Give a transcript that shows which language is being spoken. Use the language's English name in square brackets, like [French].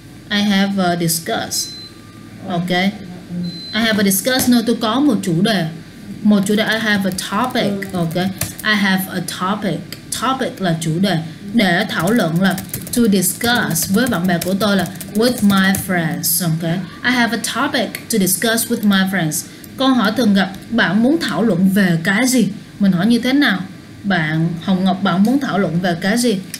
[English] I have a discuss. Okay. I have a discuss. [Vietnamese] No, tôi có một chủ đề. Một chủ đề. [English] I have a topic. [Vietnamese] Okay. [English] I have a topic. Topic [Vietnamese] là chủ đề. Để thảo luận là [English] to discuss [Vietnamese] với bạn bè của tôi là [English] with my friends. Okay. I have a topic to discuss with my friends. [Vietnamese] Câu hỏi thường gặp, bạn muốn thảo luận về cái gì? Mình hỏi như thế nào? Bạn Hồng Ngọc, bạn muốn thảo luận về cái gì?